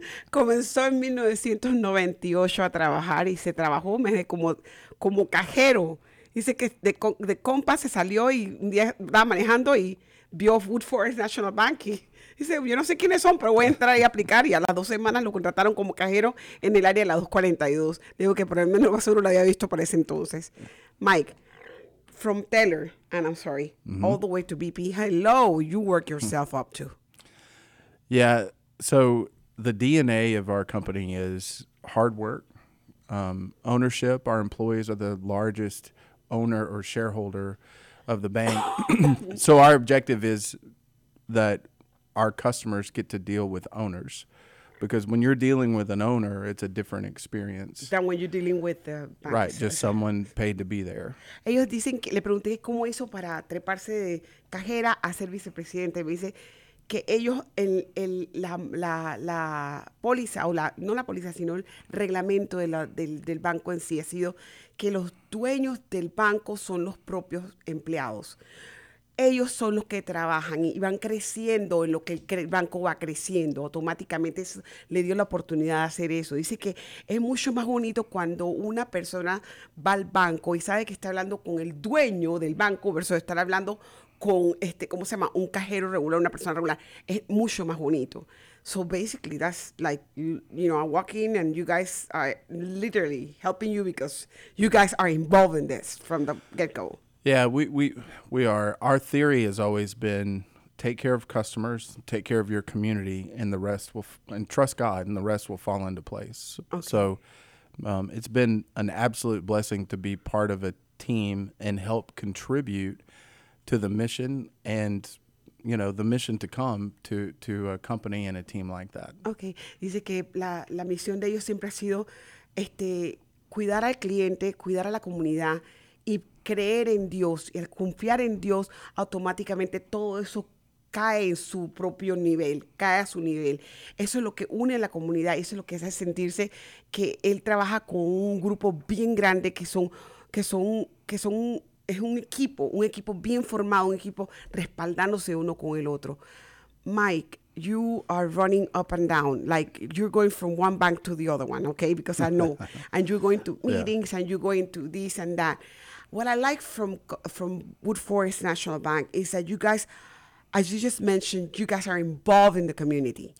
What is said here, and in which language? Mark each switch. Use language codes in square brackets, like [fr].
[es] Comenzó en 1998 a trabajar y se trabajó como cajero. Dice que de compa se salió y un día estaba manejando y vio Wood Forest National Bank. Y dice, yo no sé quiénes son, pero voy a entrar y aplicar. Y a las 2 semanas lo contrataron como cajero en el área de la 242. Digo que por lo menos seguro lo había visto para ese entonces. [en] Mike, from teller, and I'm sorry, all the way to BP. Hello, you work yourself up to. Yeah, so the DNA of our company is hard work, ownership. Our employees are the largest owner or shareholder of the bank. So our objective is that our customers get to deal with owners, because when you're dealing with an owner, it's a different experience than when you're dealing with the banks. Right, just someone paid to be there. [es] Ellos dicen que le pregunté cómo hizo para treparse de cajera a ser vicepresidente. Me dice que ellos la póliza o la no la póliza sino el reglamento del banco en sí ha sido que los dueños del banco son los propios empleados. Ellos son los que trabajan y van creciendo en lo que el banco va creciendo. Automáticamente le dio la oportunidad de hacer eso. Dice que es mucho más bonito cuando una persona va al banco y sabe que está hablando con el dueño del banco versus estar hablando con ¿cómo se llama? Un cajero regular, una persona regular. Es mucho más bonito. [en] So basically, that's like, you know, I walk in and you guys are literally helping you because you guys are involved in this from the get-go. Yeah, we are. Our theory has always been take care of customers, take care of your community, and the rest will and trust God, and the rest will fall into place. Okay. So it's been an absolute blessing to be part of a team and help contribute to the mission and, you know, the mission to come to a company and a team like that. Okay. [es] Dice que la misión de ellos siempre ha sido cuidar al cliente, cuidar a la comunidad y creer en Dios, y al confiar en Dios, automáticamente todo eso cae en su propio nivel, cae a su nivel. Eso es lo que une a la comunidad, eso es lo que hace sentirse que él trabaja con un grupo bien grande que son es un equipo bien formado, un equipo respaldándose uno con el otro. [en] Mike, you are running up and down, like you're going from one bank to the other one, okay? Because I know, and you're going to meetings, yeah, and you're going to this and that. What I like from Wood Forest National Bank is that you guys, as you just mentioned, you guys are involved in the community.